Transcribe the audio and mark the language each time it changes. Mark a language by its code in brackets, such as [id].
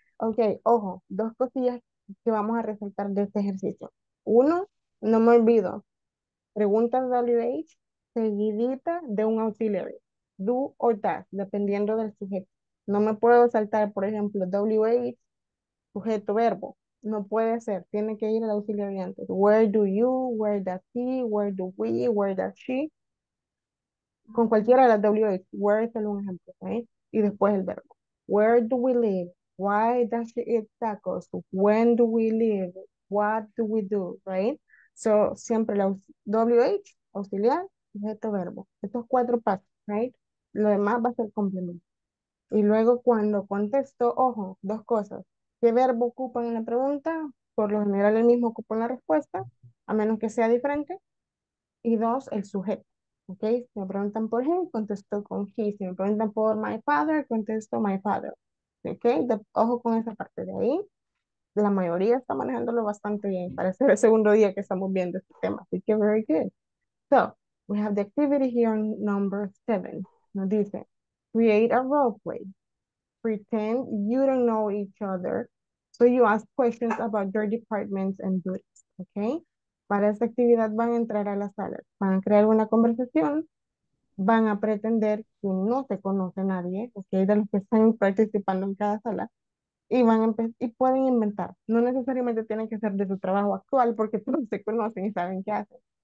[es] Okay, ojo, dos cosillas que vamos a resaltar de este ejercicio. Uno, no me olvido, pregunta WH seguidita de un auxiliary, [en] do or does, [es] dependiendo del sujeto. No me puedo saltar, por ejemplo, WH, sujeto, verbo. No puede ser. Tiene que ir al auxiliar antes. [en] Where do you, where does he, where do we, where does she. [es] Con cualquiera de las WH. Where es el un ejemplo, ¿eh? Y después el verbo. [en] Where do we live? Why does she eat tacos? When do we live? What do we do, right? [es] So, siempre la WH, auxiliar, sujeto, verbo. Estos cuatro pasos, [en] right? [es] Lo demás va a ser complemento. Y luego cuando contesto, ojo, dos cosas. ¿Qué verbo ocupan en la pregunta? Por lo general el mismo ocupa en la respuesta, a menos que sea diferente. Y dos, el sujeto. ¿Okay? Si me preguntan por him, contesto con he. Si me preguntan por [en] my father, [es] contesto my father. ¿Okay? Ojo con esa parte de ahí. La mayoría está manejándolo bastante bien. Parece el segundo día que estamos viendo este tema. Así que [en] very good. So, we have the activity here on number 7. [es] Nos dice... [en] Create a role play. Pretend you don't know each other. So you ask questions about your departments and duties. Okay? [es] Para esta actividad van a entrar a la sala. Van a crear una conversación. Van a pretender que no se conoce nadie. Okay? De los que están participando en cada sala. Y van a y pueden inventar. No necesariamente tienen que ser de su trabajo actual porque todos se conocen y saben qué hacen.